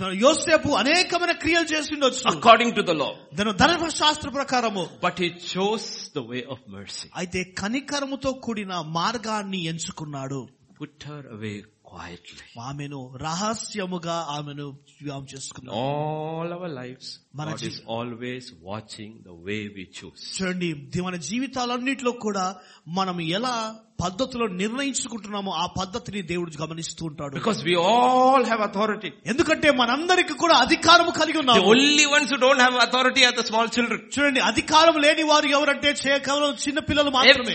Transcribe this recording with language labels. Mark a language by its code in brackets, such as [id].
[te] యోసేపు అనేకమైన క్రియలు చేసిండొచ్చు. [en] According to the law. [te] దాని ధర్మశాస్త్ర ప్రకారము. [en] But he chose the way of mercy. [te] అయితే కనికరముతో కూడిన మార్గాన్ని ఎంచుకున్నాడు. [en] Put her away. Quietly. [te] ఆమెను రహస్యముగా ఆమెను వివాహం చేసుకున్నాను. [en] All our lives, మన God is always watching the way we choose. [te] చూడండి మన జీవితాలన్నింటిలో కూడా మనం ఎలా పద్ధతిలో నిర్ణయించుకుంటున్నామో ఆ పద్ధతిని దేవుడు గమనిస్తూ ఉంటాడు. [en] Because we all have authority. [te] ఎందుకంటే మనందరికి కూడా అధికారం కలిగి ఉన్నాము. [en] The only ones who don't have authority are the small children. [te] చూడండి అధికారం లేని వారు ఎవరంటే కేవలం చిన్న పిల్లలు మాత్రమే.